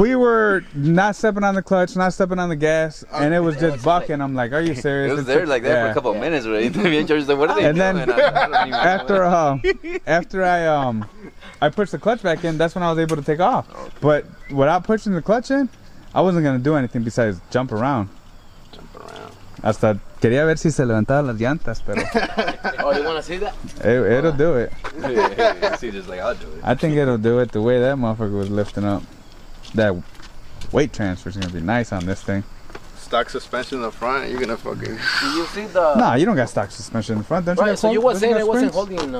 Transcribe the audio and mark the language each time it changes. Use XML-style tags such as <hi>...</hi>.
<en>We were not stepping on the clutch, not stepping on the gas, and it was just bucking. I'm like, are you serious? It was there, like, there for a couple of minutes, right? And then... after I pushed the clutch back in, that's when I was able to take off. Okay. But without pushing the clutch in, I wasn't gonna do anything besides jump around.</en> <es>Hasta quería ver si se levantaban las llantas, pero.</es> <en>Oh, you wanna see that? It'll do it. See, just like I'll do it. I think it'll do it the way that motherfucker was lifting up. That weight transfer is gonna be nice on this thing. Stock suspension in the front, you're gonna fucking. You see the? Nah, you don't got stock suspension in the front. Don't right, you so you were saying it wasn't holding.</en>